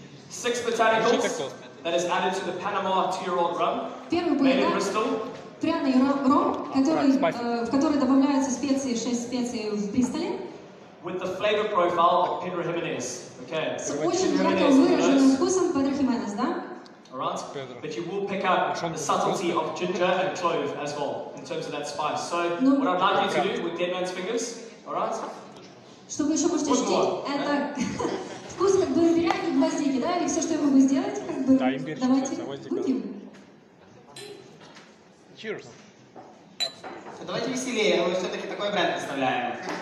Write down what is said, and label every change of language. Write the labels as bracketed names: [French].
[English] Six botanicals that is added to the Panama two-year-old rum. Made in Bristol. [Russian] Пряный ром, в который добавляются специи, 6 специй в Бристоле. [English] With the flavor profile of Pedro Jimenez. Okay. [Russian] С очень ярко выраженным вкусом Педро Хименес, да? [English] Alright, but you will pick out the subtlety of ginger and clove as well, in terms of that spice. So, what I'd like you to do with dead man's fingers, alright? [Russian] Что вы еще можете ощутить, это вкус как бы имбиря и гвоздики, да, и все, что я могу сделать, как бы, давайте купим. [English] Cheers! [Russian] Давайте веселее, мы все-таки такой бренд представляем.